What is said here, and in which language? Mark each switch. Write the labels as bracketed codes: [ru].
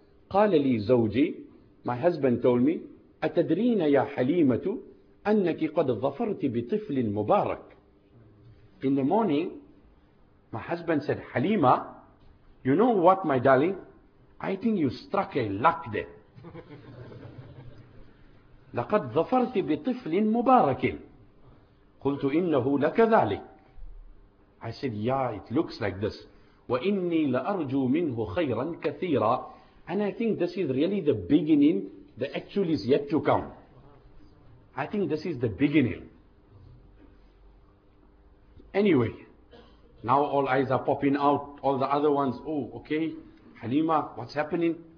[ar] قَالَ لِي زَوْجِي [en] My husband told me, [ar] أَتَدْرِينَ يَا حَلِيمَةُ أَنَّكِ قَدْ ظَفَرْتِ بِطِفْلٍ مُبَارَكٍ [en] In the morning, my husband said, Halima, you know what, my darling? I think you struck a luck there. [ar] لَقَدْ ظَفَرْتِ بِطِفْلٍ مُبَارَكٍ قُلْتُ إِنَّهُ لَكَ ذَلِكَ [en] I said, yeah, it looks like this. [ar] وَإِنِّي لَأَرْجُو مِنْهُ خَيْرًا كَثِيرًا [en] And I think this is really the beginning that actually is yet to come. I think this is the beginning. Anyway, now all eyes are popping out, all the other ones, oh, okay, Halima, what's happening?